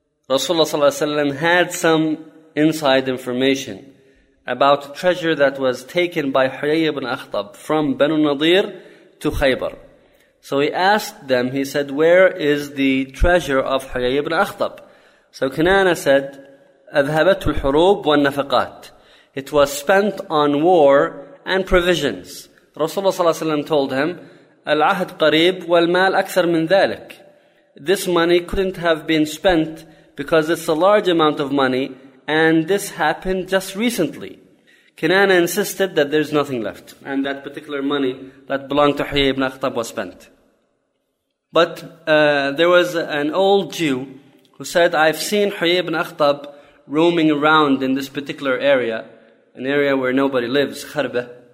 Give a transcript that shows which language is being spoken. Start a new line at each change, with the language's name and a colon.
English: Rasulullah sallallahu alaihi wasallam had some inside information about a treasure that was taken by Huyay ibn Akhtab from Banu Nadir to Khaybar. So he asked them, he said, where is the treasure of Huyay ibn Akhtab? So Kinana said,
Arabic: أَذْهَبَتُ الْحُرُوبُ وَالنَّفَقَاتِ.
English: It was spent on war and provisions. Rasulullah صلى الله عليه وسلم told him,
Arabic: العهد قريب والمال أكثر من ذلك.
English: This money couldn't have been spent because it's a large amount of money and this happened just recently. Kinana insisted that there's nothing left and that particular money that belonged to Huyay ibn Akhtab was spent. But there was an old Jew who said, I've seen Huyay ibn Akhtab roaming around in this particular area, an area where nobody lives, Kharbah.